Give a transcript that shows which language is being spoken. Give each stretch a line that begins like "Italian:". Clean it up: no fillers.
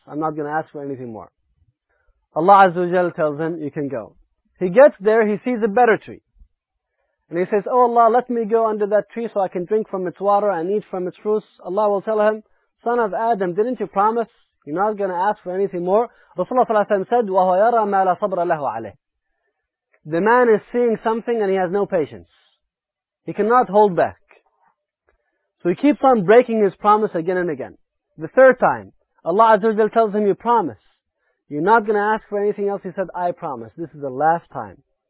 English: I'm not going to ask for anything more. Allah Azza wa Jal tells him, you can go. He gets there, he sees a better tree. And he says, oh Allah, let me go under that tree so I can drink from its water and eat from its fruits. Allah will tell him, son of Adam, didn't you promise you're not going to ask for anything more? Rasulullah ﷺ said,
Arabic: وَهُوَ يَرَى مَا لَا صَبْرَ لَهُ عَلَيْهِ.
English: The man is seeing something and he has no patience. He cannot hold back. So he keeps on breaking his promise again and again. The third time, Allah Azza wa Jalla tells him, you promise. You're not going to ask for anything else. He said, I promise. This is the last time.